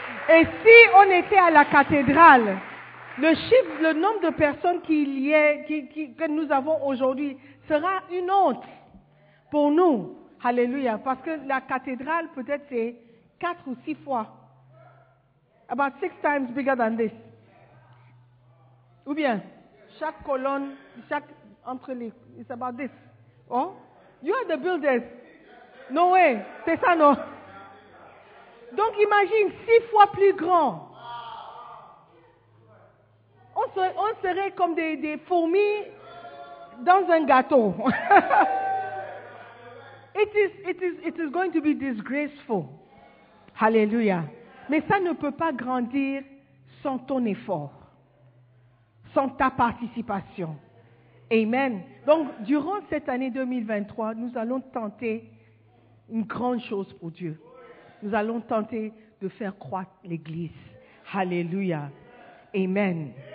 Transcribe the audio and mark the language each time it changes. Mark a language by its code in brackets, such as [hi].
[fr] Et si on était à la cathédrale, le chiffre, le nombre de personnes qu'il y a, que nous avons aujourd'hui, sera une honte pour nous. Alléluia. Parce que la cathédrale, peut-être, c'est 4 ou 6 fois. [en] About 6 times bigger than this. [fr] Ou bien, chaque colonne, chaque entre les, [en] it's about this. Oh? You are the builders. No way. [fr] C'est ça, non? Donc, imagine 6 fois plus grand. On serait comme des fourmis dans un gâteau. [en] It is going to be disgraceful. Hallelujah. [fr] Mais ça ne peut pas grandir sans ton effort, sans ta participation. Amen. Donc, durant cette année 2023, nous allons tenter une grande chose pour Dieu. Nous allons tenter de faire croître l'Église. Hallelujah. Amen.